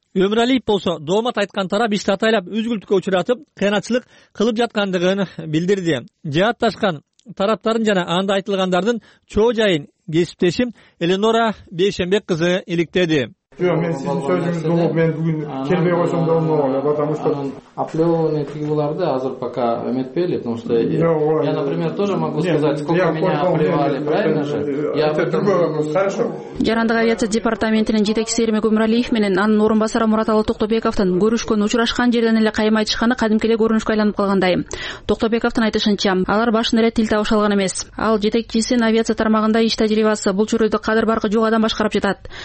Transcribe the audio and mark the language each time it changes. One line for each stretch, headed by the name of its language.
Kyrgyz: Өмүралиев болсо доомат айткан тарап ишти атайлап үзгүлтүккө учуратып кыйначылык кылып жаткандыгын билдирди. Жаатташкан тараптарын жана анда айтылгандардын чоо жайын кесиптешим Эленора Бейшенбек кызы иликтеди. Жок, мен сиздин сөзүңүздү угуп, мен бүгүн келбей койсом да болмок эле,
Russian: потому что определенные
Kyrgyz: фигураларды азыр
Russian: пока
Kyrgyz: эметпейли,
Russian: потому что я, например, тоже могу сказать, сколько меня обливали, правильно же? Я в этом хорошо.
Kyrgyz: Жарандык авиация департаментинин жетекчиси Эрмек Өмүралиев менен анын орун басары Мураталы Токтобековдун көрүшкөнү учурашкан жерден эле кайым айтышканы кадимки эле көрүнүшкө айланып калгандай. Токтобековдун айтышынча, алар башында эле тил табыша алган эмес. Ал жетекчисин авиация тармагында иш тажрыйбасы, бул чөйрөдө кадыр баркы жок адам башкарып жатат.